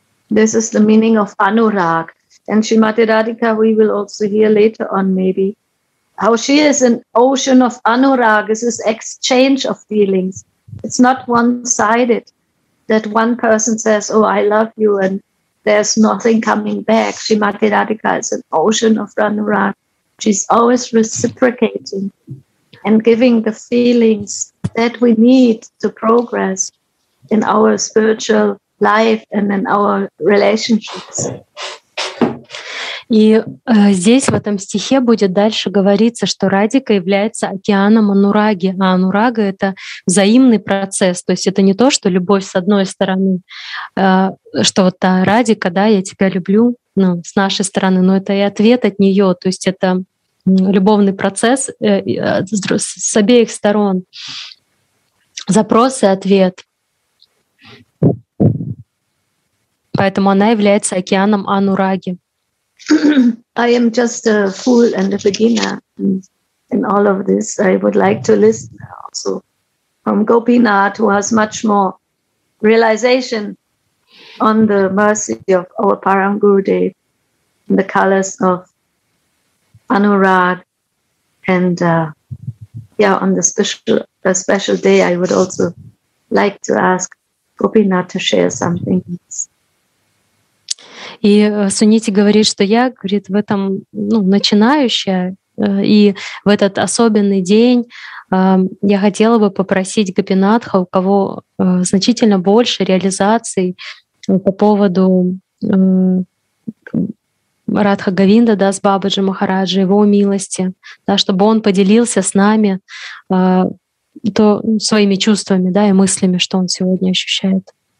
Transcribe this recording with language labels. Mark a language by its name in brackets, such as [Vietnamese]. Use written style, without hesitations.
[English] This is the meaning of Anurag. And Srimati Radhika, we will also hear later on maybe, how she is an ocean of Anurag. This is exchange of feelings. It's not one-sided that one person says, oh, I love you, and there's nothing coming back. Srimati Radhika is an ocean of Anurag. She's always reciprocating and giving the feelings that we need to progress in our spiritual life and in our relationships. [Russian] И здесь, в этом стихе, будет дальше говориться, что Радика является океаном Анураги. А Анурага — это взаимный процесс. То есть это не то, что любовь с одной стороны, что вот та Радика, да, я тебя люблю, ну, с нашей стороны, но это и ответ от нее. То есть это любовный процесс с обеих сторон. Запрос и ответ. Поэтому она является океаном Анураги. [English] I am just a fool and a beginner in all of this. I would like to listen also from Gopinath, who has much more realization on the mercy of our Param Gurudev in the colors of Anurag. And on the special day, I would also like to ask Gopinath to share something. [Russian] И Сунити говорит, что я, говорит, в этом, ну, начинающая, и в этот особенный день я хотела бы попросить Гопинатха, у кого значительно больше реализаций по поводу Радха Говинда, да, с Бабаджи Махараджи, его милости, да, чтобы он поделился с нами своими чувствами, да, и мыслями, что он сегодня ощущает.